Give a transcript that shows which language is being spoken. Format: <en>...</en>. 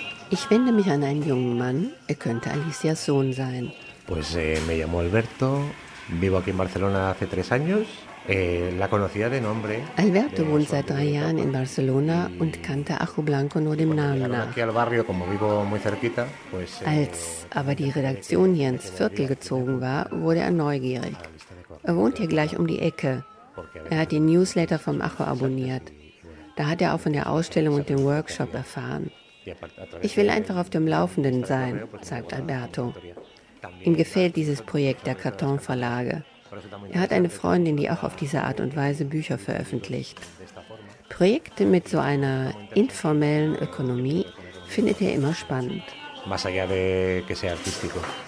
<de>Ich wende mich an einen jungen Mann. Er könnte Alicias Sohn sein.</de> <es>Pues me llamo Alberto. Vivo aquí en Barcelona hace 3 años. La conocía de nombre.</es> <de>Alberto wohnt seit 3 Jahren in Barcelona und kannte Ajo Blanco nur dem Namen nach.</de> <es>Aquí al barrio, como vivo muy cerquita, pues,</es> <de>als aber die Redaktion hier ins Viertel gezogen war, wurde er neugierig. Er wohnt hier gleich um die Ecke. Er hat den Newsletter vom Ajo abonniert. Da hat er auch von der Ausstellung und dem Workshop erfahren. Ich will einfach auf dem Laufenden sein, sagt Alberto. Ihm gefällt dieses Projekt der Karton-Verlage. Er hat eine Freundin, die auch auf diese Art und Weise Bücher veröffentlicht. Projekte mit so einer informellen Ökonomie findet er immer spannend.</de> <es>Más allá de que sea artístico.</es>